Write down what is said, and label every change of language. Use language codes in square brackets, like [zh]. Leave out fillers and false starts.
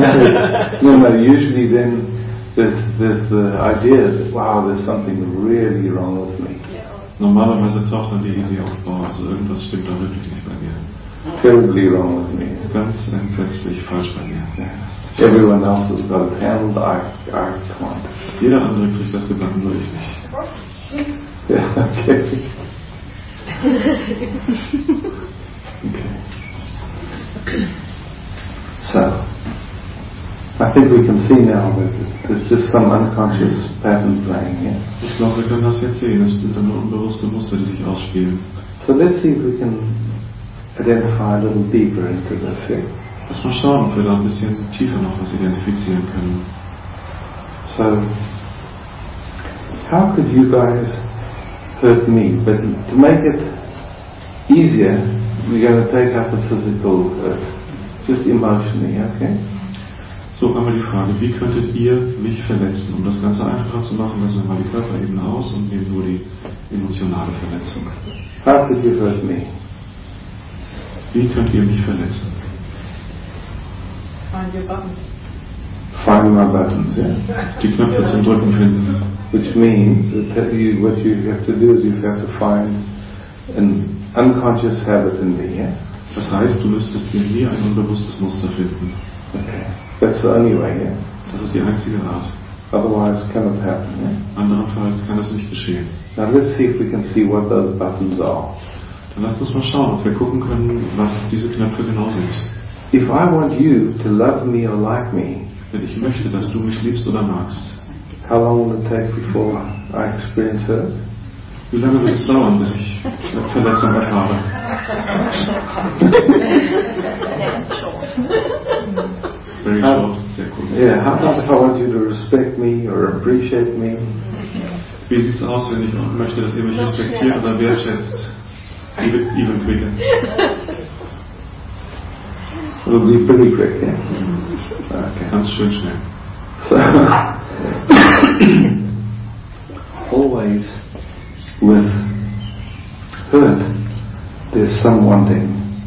[en] No, usually then there's the idea that wow, there's something really wrong with me. [de] Normalerweise taucht dann die Idee auf, boah, also irgendwas stimmt da wirklich nicht bei mir. [en] Terribly wrong with me. [de] Ganz entsetzlich falsch bei mir. Yeah. [en] Everyone else has got it handled. I can't. [de] Jeder andere kriegt das gebacken, so ich nicht. [en] Yeah, okay. So, I think we can see now that there's just some unconscious pattern playing here. [de] Ich glaube, wir können das jetzt sehen. Es sind nur unbewusste Muster, die sich ausspielen. [en] So let's see if we can identify a little deeper into the thing. [de] Lass mal schauen, ob wir da ein bisschen tiefer noch was identifizieren können. [en] So, how could you guys hurt me? But to make it easier, we're going to take out the physical hurt. Just emotionally, okay? [de] So haben wir die Frage, wie könntet ihr mich verletzen? Um das Ganze einfacher zu machen, lassen wir mal die Körperebene aus und nehmen nur die emotionale Verletzung. [en] How could you hurt me? [de] Wie könnt ihr mich verletzen? [en] Find your buttons. Find my buttons, yeah. [de] Die Knöpfe zum Drücken finden. [en] Which means that you, what you have to do is you have to find an unconscious habit in me, yeah? [de] Das heißt, du müsstest in mir ein unbewusstes Muster finden. [en] Okay. That's the only way, yeah? [de] Das ist die einzige Art. [en] Otherwise cannot happen, yeah? [de] Andernfalls kann das nicht geschehen. [en] Now let's see if we can see what those buttons are. [de] Dann lasst uns mal schauen, ob wir gucken können, was diese Knöpfe genau sind. [en] If I want you to love me or like me, [de] wenn ich möchte, dass du mich liebst oder magst, [en] how long will it take before I experience hurt? [de] Wie lange wird es dauern, bis ich Verletzung erfahre? [en] Very short, [de] sehr kurz. [en] Yeah, how about if I want you to respect me or appreciate me? [de] Wie sieht es aus, wenn ich möchte, dass ihr mich respektiert oder wertschätzt? [en] Even quicker. It'll be pretty quick, yeah? [de] Okay. Ganz schön schnell. [en] So, always with hurt, there's some wanting.